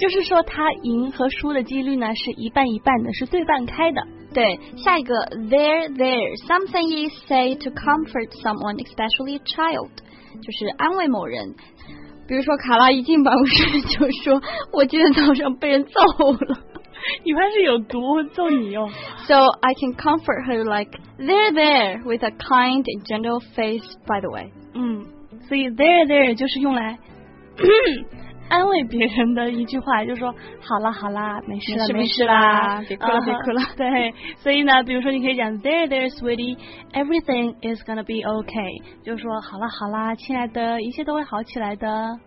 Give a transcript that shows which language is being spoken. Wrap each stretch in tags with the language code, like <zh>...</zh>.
<zh>就是说他赢和输的几率呢是一半一半的，是对半开的。对，下一个</zh> <en>there there, something you say to comfort someone, especially a child,</en> <zh>就是安慰某人。比如说卡拉一进办公室就说我今天早上被人揍了，你怕是有毒，揍你哦。</zh> <en>So I can comfort her like there there with a kind and gentle face, by the way.</en> <zh>所以 there there 就是用来安慰别人的一句话，就说好啦好啦，没事了没事啦，别哭了别哭了。对，所以呢，比如说你可以讲</zh> <en>there there sweetie, everything is gonna be okay,</en> <zh>就说好啦好啦，亲爱的，一切都会好起来的。</zh>